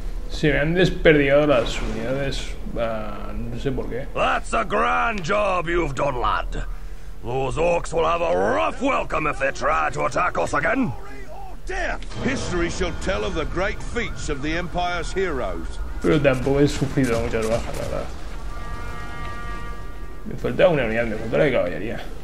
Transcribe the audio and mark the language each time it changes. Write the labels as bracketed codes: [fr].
[es] Se me han desperdiciado las unidades, no sé por qué. [en] That's a grand job you've done, lad. Those orcs will have a rough welcome if they try to attack us again. History shall tell of the great feats of the Empire's heroes. [es] Pero tampoco he sufrido muchas bajas, la verdad. Me faltaba una unidad, me faltaba de caballería.